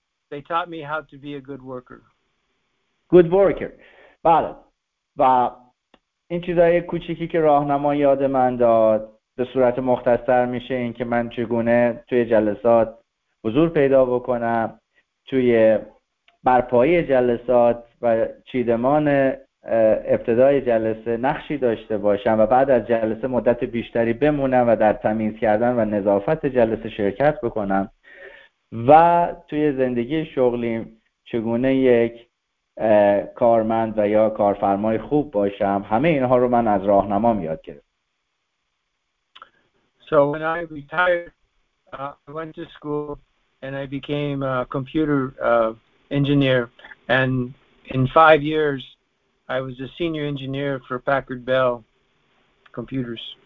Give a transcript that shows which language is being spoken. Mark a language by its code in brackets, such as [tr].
[en] They taught me how to be a good worker. Good worker. [fa] بله. و این چیزای کوچیکی که راهنما یاد من داد به صورت مختصر میشه این که من چگونه توی جلسات حضور پیدا بکنم توی برپایی جلسات و چیدمان ابتدای جلسه نقشی داشته باشم و بعد از جلسه مدت بیشتری بمونم و در تمیز کردن و نظافت جلسه شرکت بکنم و توی زندگی شغلیم چگونه یک کارمند و یا کارفرمای خوب باشم همه اینها رو من از راهنمام یاد گرفتم. [en] So when I retired, I went to school and I became a computer engineer, and in 5 years, I was a senior engineer for Packard Bell Computers.